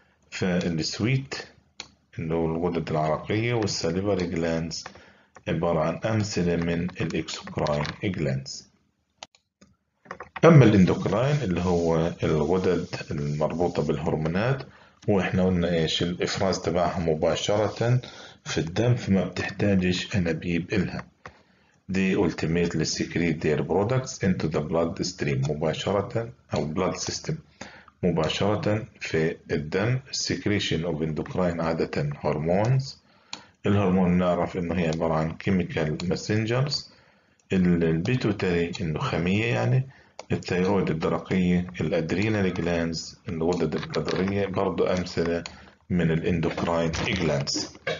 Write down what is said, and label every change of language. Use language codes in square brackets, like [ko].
[ar] فالسويت اللي هو الغدد العرقية، والساليفري جلانز عبارة عن أمثلة من الإكسوكراين جلانز. أما الإندوكراين اللي هو الغدد المربوطة بالهرمونات، وإحنا قلنا إيش الإفراز تبعها مباشرة في الدم، فما بتحتاجش أنابيب إلها. [en] They ultimately secrete their products into the bloodstream مباشرة أو blood system مباشرة في الدم. Secretion of endocrine عادة hormones. [ar] الهرمون نعرف إنه هي عبارة عن chemical messengers. البيتوتري إنه خامية يعني. الثيرويد الدرقية، الأدرينال جلانز، الغدد الكظرية برضو أمثلة من الإندوكراين جلانز.